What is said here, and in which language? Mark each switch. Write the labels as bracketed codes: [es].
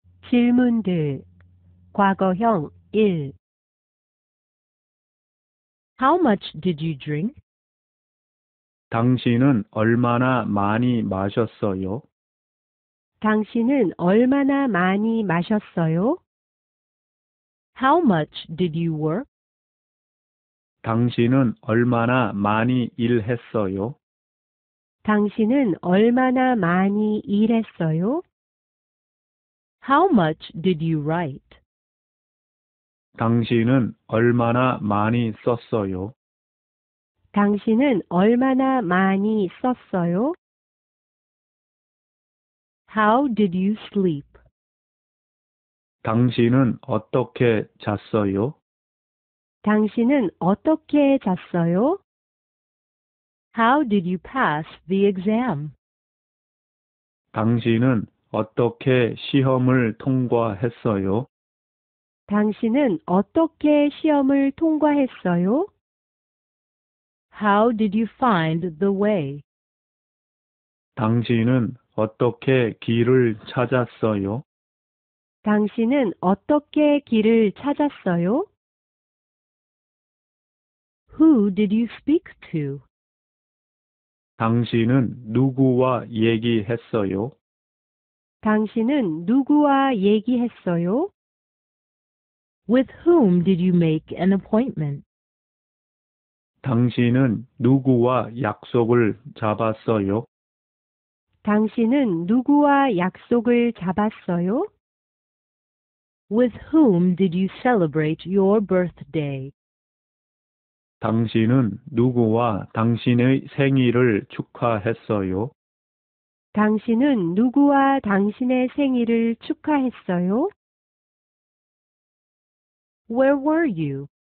[ko] 질문들 과거형 [en] 1 How much did you drink? [ko] 당신은 얼마나 많이 마셨어요? 당신은 얼마나 많이 마셨어요? [en] How much did you work? [ko] 당신은 얼마나 많이 일했어요? 당신은 얼마나 많이 일했어요? [en] How much did you write? [ko] 당신은 얼마나 많이 썼어요? 당신은 얼마나 많이 썼어요? [en] How did you sleep? [ko] 당신은 어떻게 잤어요? 당신은 어떻게 잤어요? [en] How did you pass the exam? [ko] 당신은 어떻게 시험을 통과했어요? 당신은 어떻게 시험을 통과했어요? [en] How did you find the way? [ko] 당신은 어떻게 길을 찾았어요? 당신은 어떻게 길을 찾았어요? [en] Who did you speak to? [ko] 당신은 누구와 얘기했어요? 당신은 누구와 얘기했어요? [en] With whom did you make an appointment? [ko] 당신은 누구와 약속을 잡았어요? 당신은 누구와 약속을 잡았어요? [en] With whom did you celebrate your birthday? [ko] 당신은 누구와 당신의 생일을 축하했어요? 당신은 누구와 당신의 생일을 축하했어요? [en] Where were you?